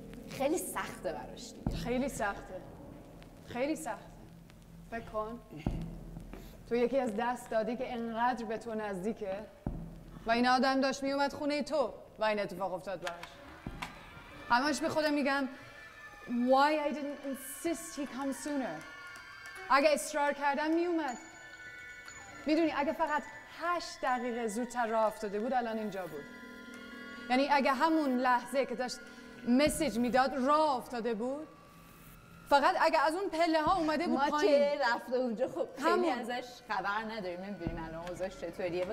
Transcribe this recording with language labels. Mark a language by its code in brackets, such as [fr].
[fa] خیلی سخته براش دیگه، خیلی سخته، خیلی سخته. فکر کن تو یکی از دست دادی که انقدر به تو نزدیکه و این آدم داشت میومد خونه تو و این اتفاق افتاد براش. همش به خودم میگم [en] Why I didn't insist he come sooner. [fa] اگه اصرار کردم میومد. میدونی اگه فقط 8 دقیقه زودتر راه افتاده بود الان اینجا بود. یعنی اگه همون لحظه که داشت مسیج میداد راه افتاده بود، فقط اگه از اون پله ها اومده بود پایین. ما که رفته اونجا خب خیلی ازش خبر نداریم، نمیدونیم الان اوضاعش چطوریه.